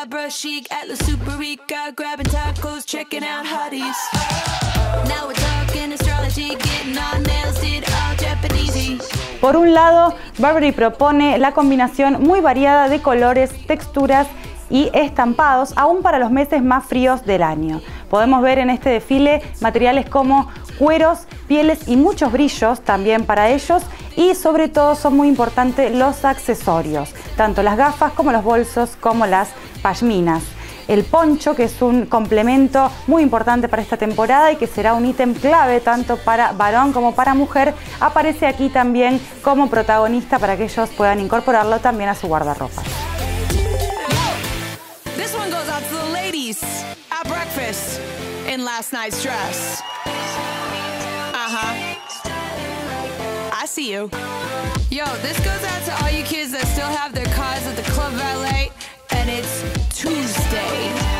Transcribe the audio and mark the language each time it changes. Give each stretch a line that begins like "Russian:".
English: Chic at the Super Rica, grabbing tacos, checking out hotties. Now we're talking astrology, getting our nails did all Japanese.
Spanish: Por un lado, Burberry propone la combinación muy variada de colores, texturas y estampados, aún para los meses más fríos del año. Podemos ver en este desfile materiales como cueros, pieles y muchos brillos también para ellos. Y sobre todo son muy importantes los accesorios, tanto las gafas como los bolsos, como las pashminas. El poncho, que es un complemento muy importante para esta temporada y que será un ítem clave tanto para varón como para mujer, aparece aquí también como protagonista para que ellos puedan incorporarlo también a su guardarropa.
English: This one goes out to the ladies at breakfast in last night's dress. I see you. Yo, this goes out to all you kids that still have their cars at the club valet, and it's Tuesday.